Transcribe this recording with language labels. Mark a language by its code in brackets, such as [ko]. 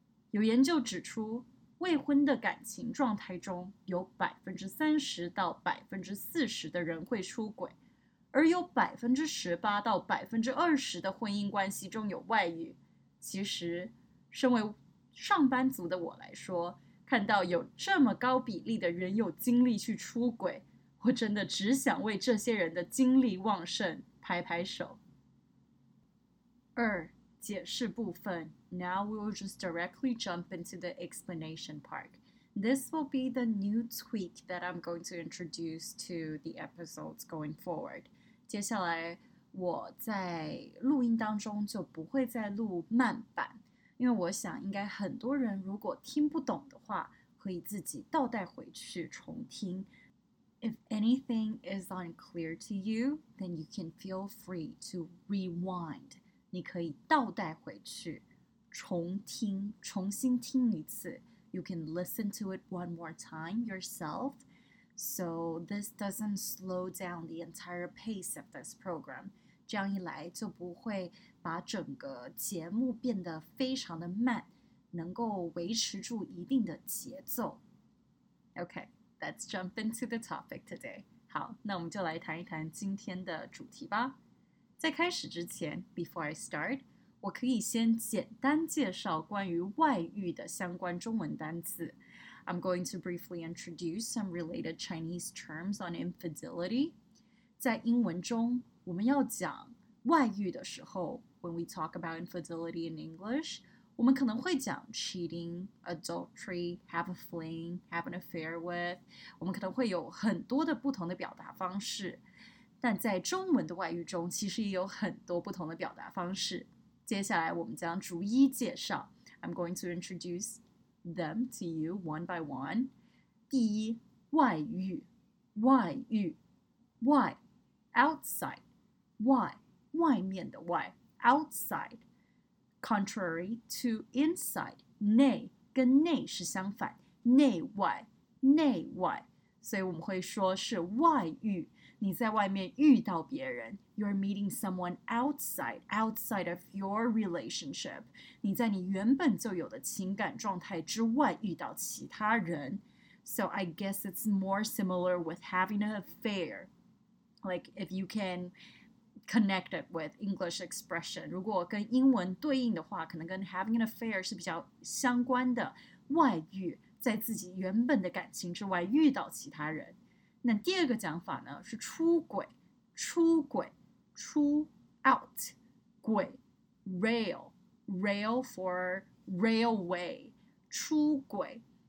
[zh] 有研究指出，未婚的感情状态中有 30% 到 40% 的人会出轨，而有 18% 到 20% 的婚姻关系中有外遇。其实，身为上班族的我来说，看到有这么高比例的人有精力去出轨，我真的只想为这些人的精力旺盛拍拍手。二。解释部分, [en] now we'll just directly jump into the explanation part. This will be the new tweak that I'm going to introduce to the episodes going forward. [zh] 接下来我在录音当中就不会再录慢版，因为我想应该很多人如果听不懂的话，可以自己倒带回去重听。 [en] If anything is unclear to you, then you can feel free to rewind. [zh] 你可以倒带回去，重听，重新听一次。 [en] You can listen to it one more time yourself. So this doesn't slow down the entire pace of this program. [zh] 这样一来就不会把整个节目变得非常的慢，能够维持住一定的节奏。 [en] Okay, let's jump into the topic today. [zh] 好，那我们就来谈一谈今天的主题吧。在开始之前 , [en] before I start, [zh] 我可以先简单介绍关于外遇的相关中文单词。 [en] I'm going to briefly introduce some related Chinese terms on infidelity. [zh] 在英文中,我们要讲外遇的时候, [en] when we talk about infidelity in English, [zh] 我们可能会讲 [en] cheating, adultery, have a fling, have an affair with, [zh] 我们可能会有很多的不同的表达方式。但在中文的外语中其实也有很多不同的表达方式。接下来我们将逐一介绍。 [en] I'm going to introduce them to you one by one. [zh] 第一,外语。外语。外。Outside. 外。外面的外。 [en] Outside. Contrary to inside. 内。 [zh] 跟内是相反。内外。内外。所以我们会说是外语。你在外面遇到别人 [en] You're meeting someone outside, outside of your relationship. [zh] 你在你原本就有的情感状态之外遇到其他人。 [en] So I guess it's more similar with having an affair. Like if you can connect it with English expression. [zh] 如果跟英文对应的话,可能跟 [en] having an affair [zh] 是比较相关的。外遇,在自己原本的感情之外遇到其他人。那第二个讲法呢是出轨，出轨，出 out 轨 [en] rail rail for railway [zh] 出轨。